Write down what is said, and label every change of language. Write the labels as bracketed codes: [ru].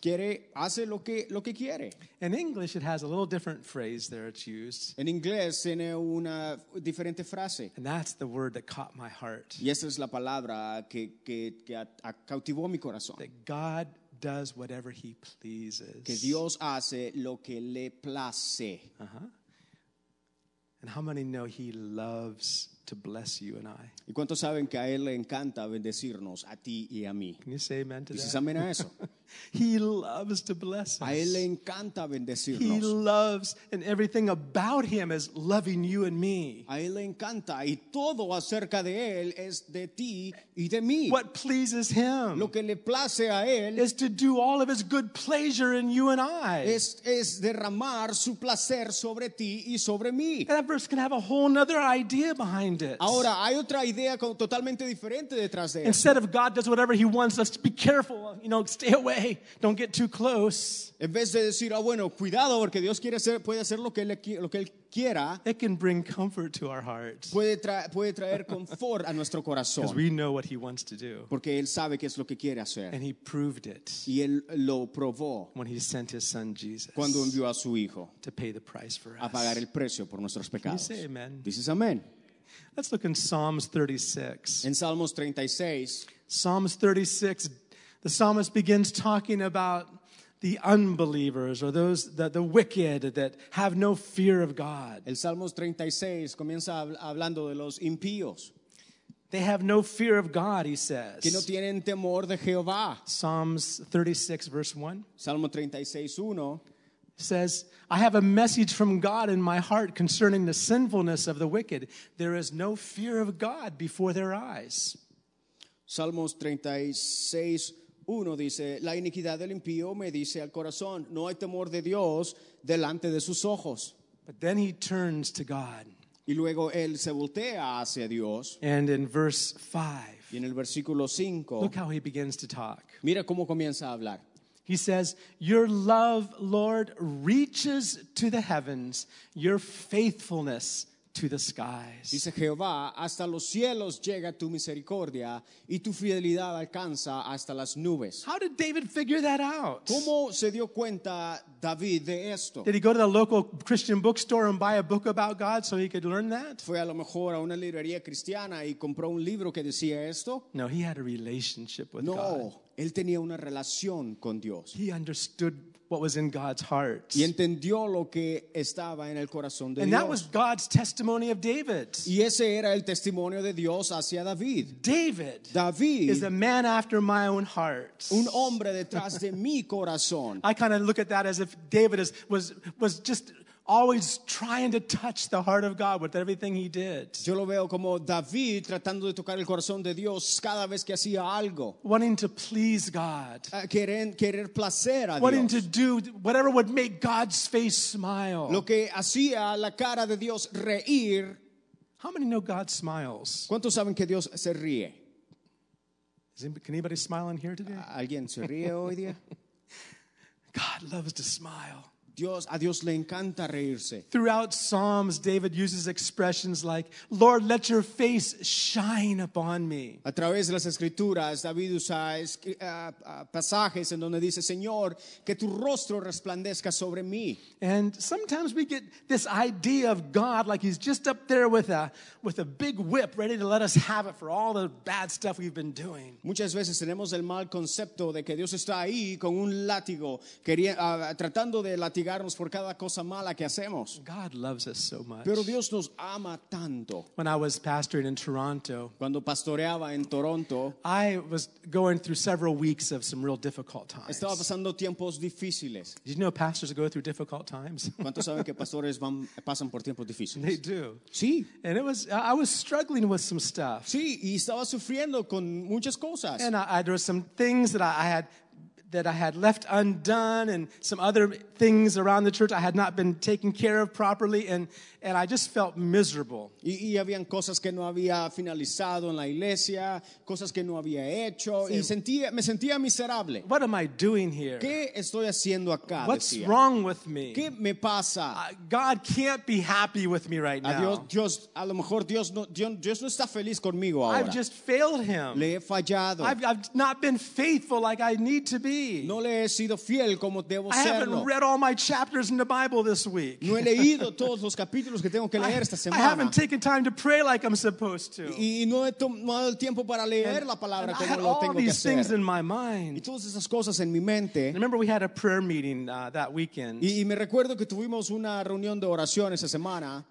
[es] Quiere, hace lo que quiere. [en] In English, it has a little different phrase there it's used. [es] En inglés tiene una diferente frase. [en] And that's the word that caught my heart. [es] Y esa es la palabra que cautivó mi corazón. [en] That God does whatever he pleases. [es] Que Dios hace lo que le place. [en] And how many know he loves to bless you and I? [es] ¿Y cuántos saben que a él le encanta bendecirnos a ti y a mí? [en] Can you say amen to that? [es] ¿Dices amén a eso? [en] He loves to bless us. [es] A él le encanta bendecirnos. [en] He loves, and everything about him is loving you and me. [es] A él le encanta, y todo acerca de él es de ti y de mí. [en] What pleases him? [es] Lo que le place a él [en] is to do all of his good pleasure in you and I. [es] Es derramar su placer sobre ti y sobre mí. [en] And that verse can have a whole other idea behind it. [es] Ahora hay otra idea totalmente diferente detrás de él. [en] Instead of God does whatever he wants, let's be careful. You know, stay away. Don't get too close. [es] En vez de decir, bueno, cuidado porque Dios quiere hacer, puede hacer lo que él quiera. [en] It can bring comfort to our hearts. [es] Puede traer confort a nuestro corazón. [en] Because we know what he wants to do. [es] Porque él sabe qué es lo que quiere hacer. [en] And he proved it. [es] Y él lo probó. [en] When he sent his son Jesus. [es] Cuando envió a su hijo. [en] To pay the price for us. [es] A pagar el precio por nuestros pecados. [en] Can you say amen? [es] Dices amén. [en] Let's look in Psalms 36. [es] En Salmos 36. [en] Psalms 36. The psalmist begins talking about the unbelievers or those that the wicked that have no fear of God. [es] El Salmos 36 comienza hablando de los impíos. [en] They have no fear of God, he says. [es] Que no tienen temor de Jehová. [en] Psalms 36, verse 1. [es] Salmo 36, 1. [en] Says, I have a message from God in my heart concerning the sinfulness of the wicked. There is no fear of God before their eyes. [es] Salmos 36, 1 dice, la iniquidad del impío me dice al corazón, no hay temor de Dios delante de sus ojos. [en] But then he turns to God. [es] Y luego él se voltea hacia Dios. [en] And in verse 5, [es] y en el versículo 5, [en] look how he begins to talk. [es] Mira cómo comienza a hablar. [en] He says, your love, Lord, reaches to the heavens, your faithfulness to the skies. [es] Dice Jehová, hasta los cielos llega tu misericordia y tu fidelidad alcanza hasta las nubes. [en] How did David figure that out? [es] ¿Cómo se dio cuenta David de esto? [en] Did he go to the local Christian bookstore and buy a book about God so he could learn that? [es] ¿Fue a lo mejor a una librería cristiana y compró un libro que decía esto? [en] No, he had a relationship with [es] no. [en] God. [es] Él tenía una relación con Dios. [en] He understood what was in God's heart. [es] Y entendió lo que estaba en el corazón de [en] and [es] Dios. [en] That was God's testimony of David. [es] Y ese era el testimonio de Dios hacia David. [en] David, [es] David [en] is a man after my own heart. [es] Un hombre detrás de mi corazón. [en] I kind of look at that as if David was just always trying to touch the heart of God with everything he did. [es] Yo lo veo como David tratando de tocar el corazón de Dios cada vez que hacía algo. [en] Wanting to please God. [es] Querer placer a Dios. [en] Wanting to do whatever would make God's face smile. [es] Lo que hacía la cara de Dios reír. [en] How many know God smiles? [es] ¿Cuántos saben que Dios se ríe? [en] Can anybody smile in here today? [es] ¿Alguien se ríe hoy día? [en] God loves to smile. [es] Dios, a Dios le encanta reírse. [en] Throughout Psalms, David uses expressions like, Lord, let your face shine upon me. [es] A través de las Escrituras, David usa pasajes en donde dice, Señor, que tu rostro resplandezca sobre mí. [en] And sometimes we get this idea of God like he's just up there with a big whip ready to let us have it for all the bad stuff we've been doing. [es] Muchas veces tenemos el mal concepto de que Dios está ahí con un látigo tratando de latigar. Por cada cosa mala que hacemos. [en] God loves us so much. [es] Pero Dios nos ama tanto. [en] When I was pastoring in Toronto, [es] cuando pastoreaba en Toronto, [en] I was going through several weeks of some real difficult times. [es] Estaba pasando tiempos difíciles. [en] Did you know pastors go through difficult times? [es] ¿Cuántos saben que pastores pasan por tiempos difíciles? [en] They do. [es] Sí. [en] And I was struggling with some stuff. [es] Sí, y estaba sufriendo con muchas cosas. [en] And there were some things that I had left undone and some other things around the church I had not been taken care of properly and I just felt miserable. [es] Y habían cosas que no había finalizado en la iglesia, cosas que no había hecho, sí. Y me sentía miserable. [en] What am I doing here? [es] ¿Qué estoy haciendo acá? [en] What's [es] decía? [en] Wrong with me? [es] ¿Qué me pasa? [en] God can't be happy with me right now. [es] Dios, a lo mejor Dios no está feliz conmigo ahora. [en] I've just failed him. [es] Le he fallado. [en] I've not been faithful like I need to be. [es] No le he sido fiel como debo serlo. [en] I haven't read all my chapters in the Bible this week. [es] No he leído todos los capítulos que tengo que leer esta semana. [en] I haven't taken time to pray like I'm supposed to. [es] Y no he tomado el tiempo para leer la palabra como lo tengo que hacer. [en] I had all these things in my mind. [es] Y todas esas cosas en mi mente. [en] I remember we had a prayer meeting that weekend. [es] Y me recuerdo que tuvimos una reunión de oración esa semana.